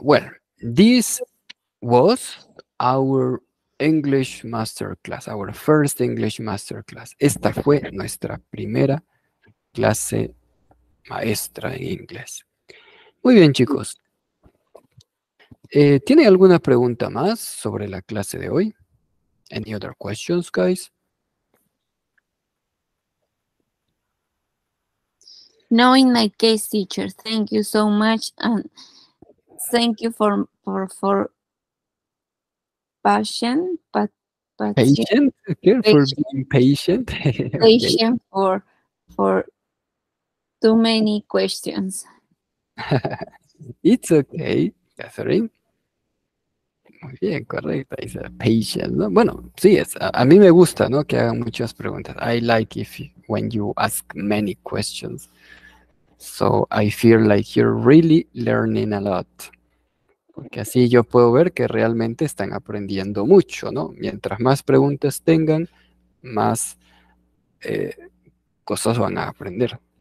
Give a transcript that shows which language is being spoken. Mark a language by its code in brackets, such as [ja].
[en] Well, this was our English masterclass, our first English masterclass. [es] Esta fue nuestra primera clase maestra en inglés. Muy bien, chicos. ¿Tiene alguna pregunta más sobre la clase de hoy? [en] Any other questions, guys? No, in my case, teacher. Thank you so much, and thank you for passion, but patient. Yeah, patient. For being patient. Patient. Okay. for too many questions. It's okay, Catherine. [es] Muy bien, correcto. Es patient, ¿no? Bueno, sí, es, a mí me gusta, ¿no? Que hagan muchas preguntas. [en] I like if when you ask many questions. So I feel like you're really learning a lot. [es] Porque así yo puedo ver que realmente están aprendiendo mucho, ¿no? Mientras más preguntas tengan, más cosas van a aprender.